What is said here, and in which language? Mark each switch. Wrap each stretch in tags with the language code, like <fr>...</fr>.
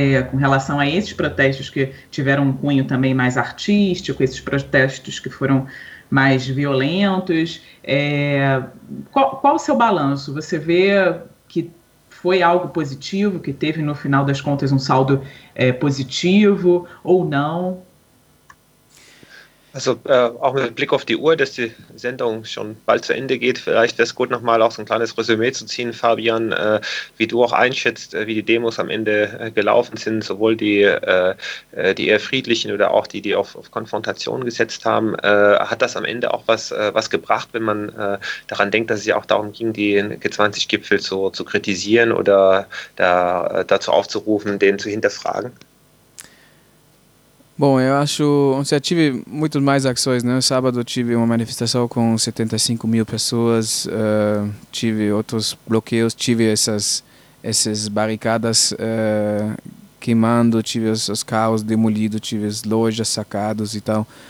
<pt>Com relação a esses protestos que tiveram um cunho também mais artístico, esses protestos que foram mais violentos, qual o seu balanço? Você vê que foi algo positivo, que teve no final das contas um saldo positivo ou não?</pt> <de>Also, auch mit Blick auf die Uhr, dass die Sendung schon bald zu Ende geht, vielleicht wäre es gut, nochmal auch so ein kleines Resümee zu ziehen, Fabian, wie du auch einschätzt, wie die Demos am Ende gelaufen sind, sowohl die eher friedlichen oder auch die auf Konfrontation gesetzt haben. Hat das am Ende auch was gebracht, wenn man daran denkt, dass es ja auch darum ging, die G20-Gipfel zu kritisieren oder dazu aufzurufen, den zu hinterfragen?</de> <pt>Bom, eu acho, eu tive muito mais ações, né? Sábado eu tive uma manifestação com 75 mil pessoas, tive outros bloqueios, tive essas barricadas queimando, tive os carros demolidos, tive as lojas sacadas e tal.</pt>